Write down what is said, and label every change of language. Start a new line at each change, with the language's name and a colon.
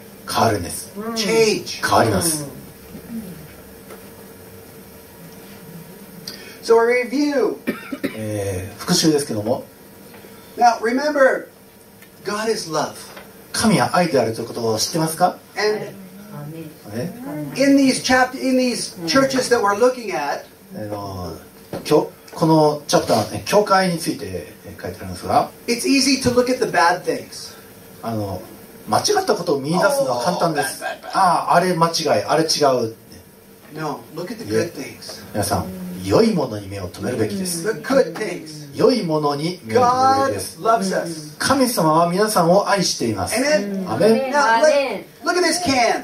Japanese: 変わるんです。
English: Change.
Japanese: 変わります。
English: So a review.
Japanese: 復習ですけども。
English: Now remember, God is love.
Japanese: 神は愛であるということを知ってますか？
English: And in these chapter, in these churches that we're looking at,
Japanese: このチャプターね、教会について書いてありますが、
English: It's easy to look at the bad things.
Japanese: 間違ったことを見出すのは簡単です。あれ間違い、あれ違う。
English: No, look at the good things.
Japanese: 皆さん。良いものに目を留めるべきです。良いものに目を留めるべきです。神様は皆さんを愛しています。アメン。